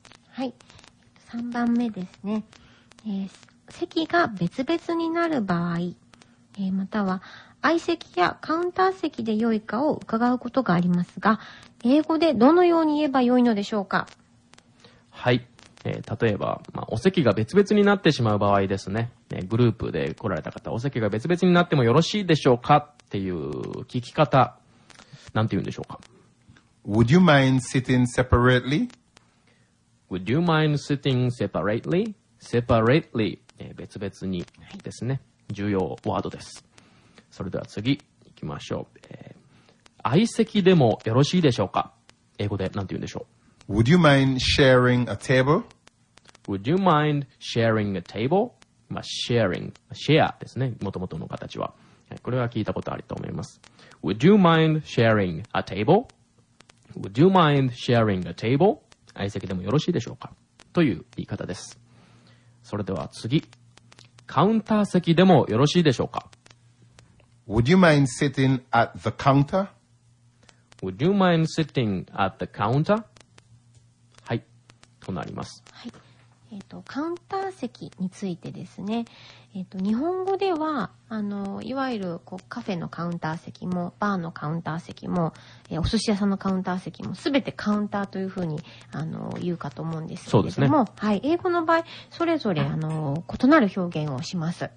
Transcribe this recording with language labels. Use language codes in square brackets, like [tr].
[ja] はい、3番目ですね、席が別々になる場合、または相席やカウンター席で良いかを伺うことがありますが、英語でどのように言えば良いのでしょうか。はい、例えば、まあ、お席が別々になってしまう場合ですね、グループで来られた方、お席が別々になってもよろしいでしょうかっていう聞き方、なんて言うんでしょうか。 [en] Would you mind sitting separately? Would you mind sitting separately? [ja] Separately、別々にですね、はい、重要ワードです。それでは次行きましょう。相席でもよろしいでしょうか。英語でなんて言うんでしょう。 [en] Would you mind sharing a table? Would you mind sharing a table? [ja] まあ、sharing、share ですね。もともとの形は、はい。これは聞いたことあると思います。 [en] Would you mind sharing a table? Would you mind sharing a table? [ja] 相席でもよろしいでしょうか?という言い方です。それでは次。カウンター席でもよろしいでしょうか? [en] Would you mind sitting at the counter? Would you mind sitting at the counter? [ja] はい、となります。はい、カウンター席についてですね、日本語ではいわゆるこうカフェのカウンター席もバーのカウンター席も、お寿司屋さんのカウンター席もすべてカウンターというふうに言うかと思うんですけれども、そうですね、はい、英語の場合それぞれ異なる表現をします。